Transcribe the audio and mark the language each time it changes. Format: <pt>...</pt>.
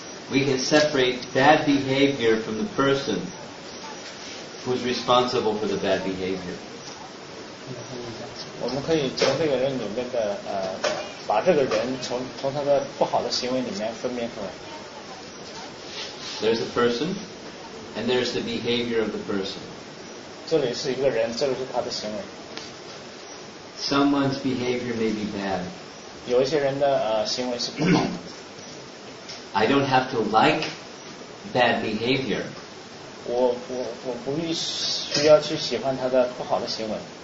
<en>We can separate bad behavior from the person who's responsible for the bad behavior.</en> <zh>我们可以从这个人里面的把这个人从他的不好的行为里面分辨出来。</zh> <en>There's a person, and there's the behavior of the person.</en> <zh>这里是一个人，这里是他的行为。</zh> <en>Someone's behavior may be bad.</en> <zh>有一些人的行为是不好的。</zh> <en>I don't have to like bad behavior.</en> <zh>我不需要去喜欢他的不好的行为。</zh>